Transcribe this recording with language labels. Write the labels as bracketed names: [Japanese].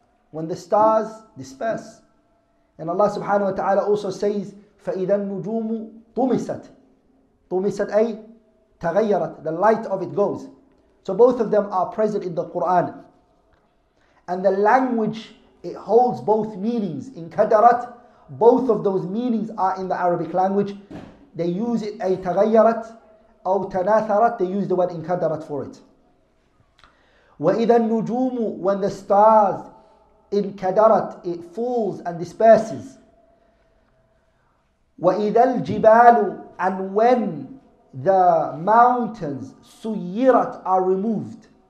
[English] When the stars disperse. And Allah subhanahu wa ta'ala also says, [Arabic] فَإِذَا النُّجُومُ طُمِسَتْ. طُمِسَتْ أي تَغَيَّرَتْ. [English] The light of it goes. So both of them are present in the Qur'an. And the language, it holds both meanings. In كَدَرَتْ, both of those meanings are in the Arabic language. They use it, [Arabic] أي تَغَيَّرَتْ أو تَنَاثَرَتْ. [English] They use the word in كَدَرَتْ for it. [Arabic] وَإِذَا النُّجُومُ [English] When the stars in كَدَرَتْ, it falls and disperses. [Arabic] وَإِذَا الْجِبَالُ [English] And when the mountains سُيِّرَتْ are removed.